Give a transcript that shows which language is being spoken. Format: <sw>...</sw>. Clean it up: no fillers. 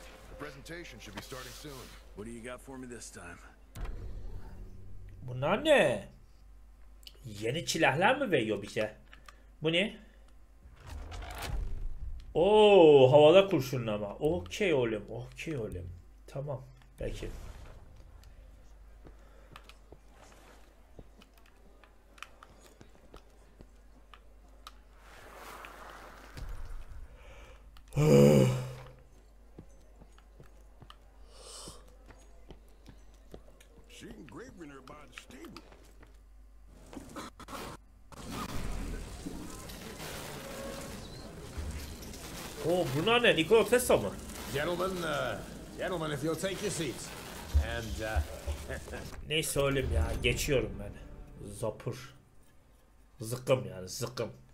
<en>The presentation should be starting soon. What do you got for me this time?</en> <tr>Bunlar ne? Yeni silahlar mı veriyor bize? Bu ne? Oo, havada kurşunlama. Okey oğlum, okey oğlum. Tamam. Peki.</tr> <en>Seeing Gravener by the stable.</en> <tr>Oh, bunlar ne? Nikola Tesla mı?</tr> <en>Gentlemen, if you'll take your seats. And</en> <tr>neyse oğlum ya, geçiyorum ben. Zapur. Zıkkım yani, zıkkım.</tr>